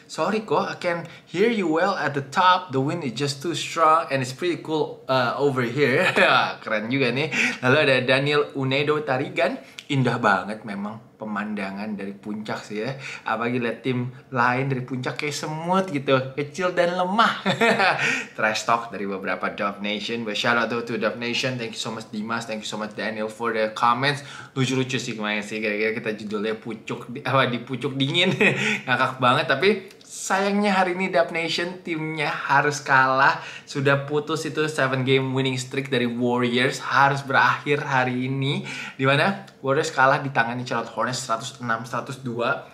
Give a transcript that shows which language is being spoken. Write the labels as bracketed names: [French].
[English] Sorry kok, I can hear you well at the top. The wind is just too strong and it's pretty cool over here." [Indonesian] Keren juga nih. Lalu ada Daniel Unedo Tarigan, "Indah banget memang pemandangan dari puncak sih ya. Apalagi lihat tim lain dari puncak kayak semut gitu, kecil dan lemah." Trash talk dari beberapa Dub Nation. [English] But shout out though to Dub Nation. Thank you so much Dimas, thank you so much Daniel for the comments. [Indonesian] Lucu-lucu sih kemarin sih, kira-kira kita judulnya pucuk apa di pucuk dingin. Ngakak banget, tapi sayangnya hari ini Dub Nation timnya harus kalah. Sudah putus itu 7 game winning streak dari Warriors, harus berakhir hari ini. Di mana Warriors kalah di tangannya Charlotte Hornets 106-102.